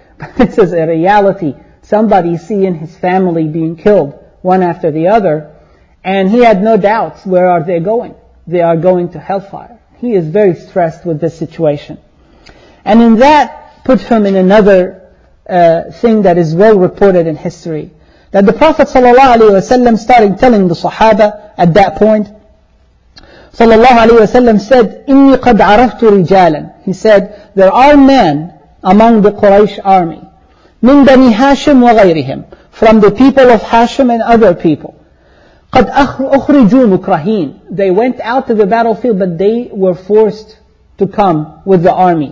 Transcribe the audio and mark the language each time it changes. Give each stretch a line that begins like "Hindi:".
English: But this is a reality. Somebody seeing his family being killed one after the other, and he had no doubts, where are they going? They are going to hellfire. He is very stressed with this situation. And in that puts him in another thing that is well reported in history, that the Prophet ﷺ started telling the Sahaba at that point.
Arabic: ﷺ said, إِنِّي قَدْ عَرَفْتُ رِجَالًا.
English: He said, there are men among the Quraysh army,
Arabic: مِنْ بَنِي هَاشِمْ وَغَيْرِهِمْ,
English: from the people of Hashim and other people.
Arabic: قَدْ أُخْرِجُوا مُكْرَهِينَ.
English: They went out to the battlefield, but they were forced to come with the army.